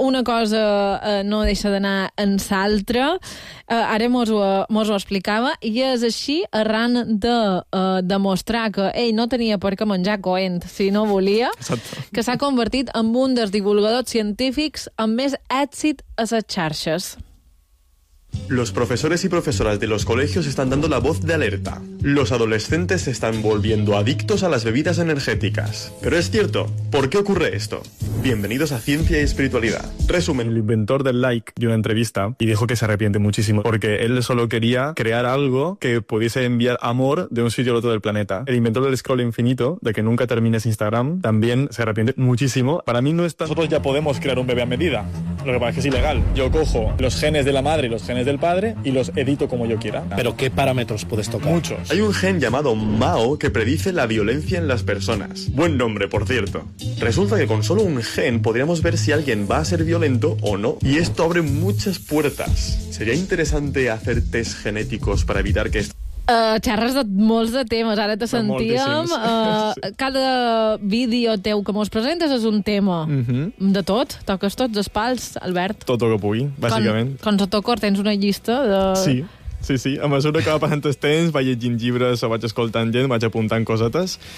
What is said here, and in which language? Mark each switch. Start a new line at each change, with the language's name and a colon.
Catalan: Una cosa no deixa d'anar en l'altra, ara mos ho explicava, i és així arran de demostrar que ell no tenia per què menjar coent si no volia. Exacte. Que s'ha convertit en un dels divulgadors científics amb més èxit a les xarxes.
Spanish: Los profesores y profesoras de los colegios están dando la voz de alerta. Los adolescentes se están volviendo adictos a las bebidas energéticas. Pero es cierto, ¿por qué ocurre esto? Bienvenidos a Ciencia y Espiritualidad. Resumen. El inventor del like dio una entrevista y dijo que se arrepiente muchísimo porque él solo quería crear algo que pudiese enviar amor de un sitio al otro del planeta. El inventor del scroll infinito, de que nunca termines Instagram, también se arrepiente muchísimo. Para mí no está... Nosotros ya podemos crear un bebé a medida. Lo que pasa es que es ilegal. Yo cojo los genes de la madre y los genes del padre y los edito como yo quiera. ¿Pero qué parámetros puedes tocar? Muchos. Hay un gen llamado MAO que predice la violencia en las personas. Buen nombre, por cierto. Resulta que con solo un gen podríamos ver si alguien va a ser violento o no. Y esto abre muchas puertas. Sería interesante hacer test genéticos para evitar que esto...
Catalan: Xerres de molts de temes, ara te sentíem. Sí. Cada vídeo teu que mos presentes és un tema. Mm-hmm. De tot, toques tots els pals, Albert. Tot el que pugui, bàsicament. Quan se toca, tens una llista de... Sí. Sí, sí, a mesura que va passant el temps, vaig llegint llibres o vaig escoltant gent, vaig apuntant cosetes.